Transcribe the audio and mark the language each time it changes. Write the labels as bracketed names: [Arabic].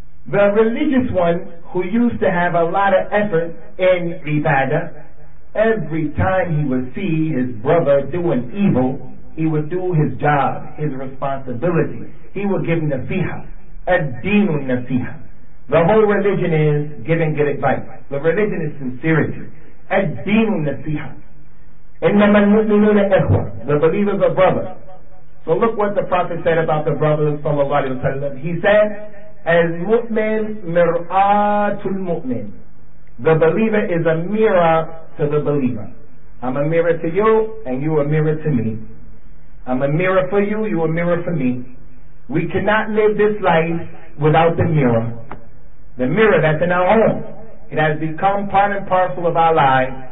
[English] The religious one, who used to have a lot of effort in ibadah, every time he would see his brother doing evil, he would do his job, his responsibility. He would give nasiha, [Arabic] ad-dinu nasiha. [English] The whole religion is give and get advice. The religion is sincerity. [Arabic] Ad-deenu nasiha. إِنَّمَا الْمُؤْمِنُونَ إِخْوَةً. [English] The believers are brothers. So look what the Prophet said about the brothers sallallahu alayhi wa sallam. He said, [Arabic] المؤمن مِرْآةُ الْمُؤْمِنِ. [English] The believer is a mirror to the believer. I'm a mirror to you, and you a mirror to me. I'm a mirror for you, you a mirror for me. We cannot live this life without the mirror. The mirror that's in our home. It has become part and parcel of our lives.